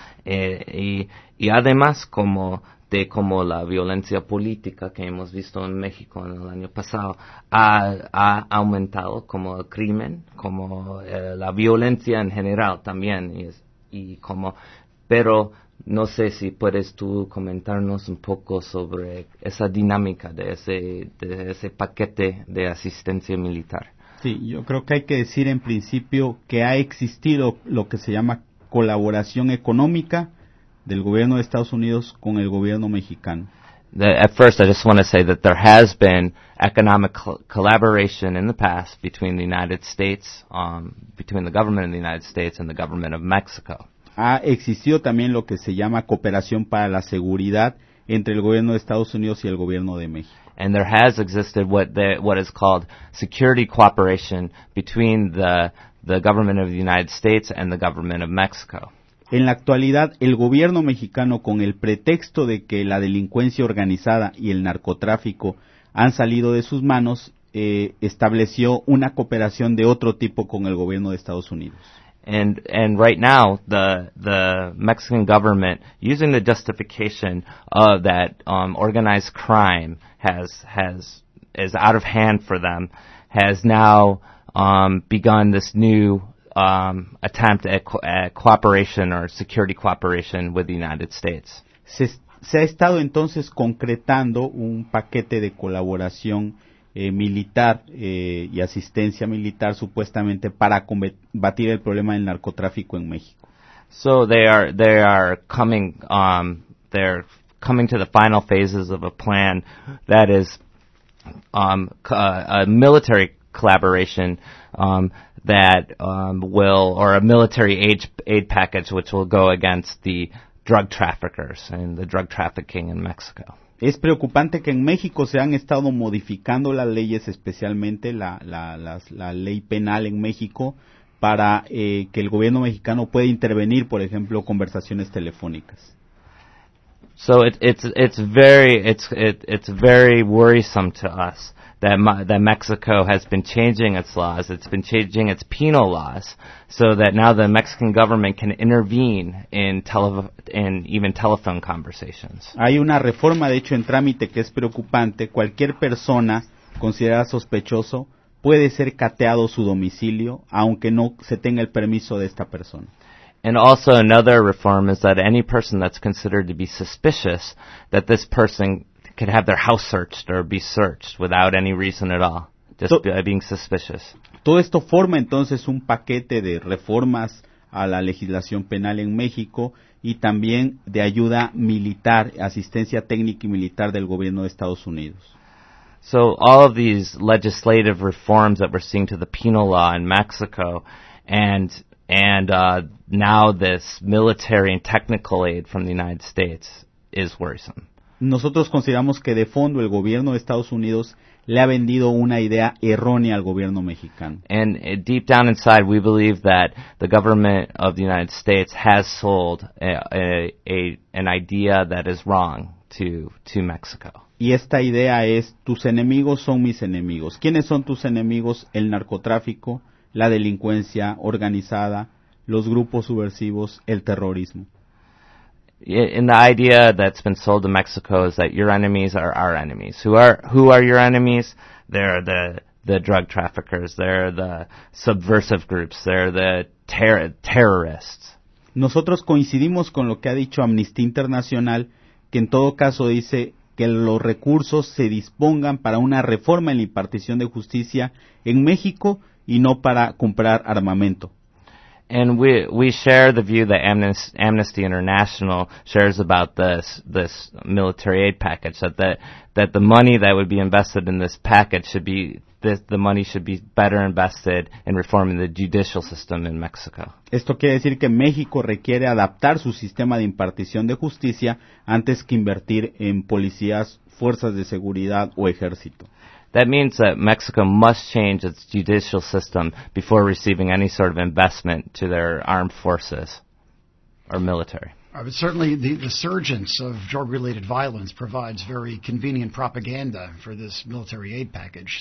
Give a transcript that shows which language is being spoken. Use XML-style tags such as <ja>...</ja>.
<es>Y además como de como la violencia política que hemos visto en México en el año pasado ha aumentado, como el crimen, como la violencia en general también, y como, pero no sé si puedes tú comentarnos un poco sobre esa dinámica de ese paquete de asistencia militar. Sí, yo creo que hay que decir en principio que ha existido lo que se llama colaboración económica del gobierno de Estados Unidos con el gobierno mexicano.</es> <en>At first, I just want to say that there has been economic collaboration in the past between the United States, between the government of the United States and the government of Mexico.</en> <es>Ha existido también lo que se llama cooperación para la seguridad entre el gobierno de Estados Unidos y el gobierno de México.</es> <en>And there has existed what is called security cooperation between the government of the United States and the government of Mexico.</en> <es>En la actualidad, el gobierno mexicano, con el pretexto de que la delincuencia organizada y el narcotráfico han salido de sus manos, estableció una cooperación de otro tipo con el gobierno de Estados Unidos.</es> <en>And right now, the Mexican government, using the justification of that organized crime is out of hand for them, has now begun this new attempt at cooperation or security cooperation with the United States.</en> <es>Se ha estado entonces concretando un paquete de colaboración militar y asistencia militar supuestamente para combatir el problema del narcotráfico en México.</es> <en>So they are coming they're coming to the final phases of a plan that is a military collaboration or a military aid package which will go against the drug traffickers and the drug trafficking in Mexico.</en> <es>Es preocupante que en México se han estado modificando las leyes, especialmente la ley penal en México, para que el gobierno mexicano pueda intervenir, por ejemplo, conversaciones telefónicas.</es> <en>So it's very worrisome to us that Mexico has been changing its laws. It's been changing its penal laws so that now the Mexican government can intervene in even telephone conversations.</en> <es>Hay una reforma, de hecho, en trámite que es preocupante. Cualquier persona considerada sospechoso puede ser cateado su domicilio, aunque no se tenga el permiso de esta persona.</es> <en>And also another reform is that any person that's considered to be suspicious, that this person could have their house searched or be searched without any reason at all, just being suspicious.</en> <es>Todo esto forma entonces un paquete de reformas a la legislación penal en México y también de ayuda militar, asistencia técnica y militar del gobierno de Estados Unidos.</es> <en>So all of these legislative reforms that we're seeing to the penal law in Mexico and now this military and technical aid from the United States is worrisome.</en> <es>Nosotros consideramos que de fondo el gobierno de Estados Unidos le ha vendido una idea errónea al gobierno mexicano.</es> <en>And deep down inside, we believe that the government of the United States has sold an idea that is wrong to Mexico.</en> <es>Y esta idea es, tus enemigos son mis enemigos. ¿Quiénes son tus enemigos? El narcotráfico, la delincuencia organizada, los grupos subversivos, el terrorismo.</es> <en>And the idea that's been sold to Mexico is that your enemies are our enemies. Who are your enemies? They're the drug traffickers. They're the subversive groups. They're the terrorists.</en> <es>Nosotros coincidimos con lo que ha dicho Amnistía Internacional, que en todo caso dice que los recursos se dispongan para una reforma en la impartición de justicia en México y no para comprar armamento.</es> <en>And we share the view that Amnesty International shares about this military aid package, that the money that would be invested in this package should be, that the money should be better invested in reforming the judicial system in Mexico.</en> <es>Esto quiere decir que México requiere adaptar su sistema de impartición de justicia antes que invertir en policías, fuerzas de seguridad o ejército.</es> <en>That means that Mexico must change its judicial system before receiving any sort of investment to their armed forces or military. But certainly the surgence of drug-related violence provides very convenient propaganda for this military aid package.</en>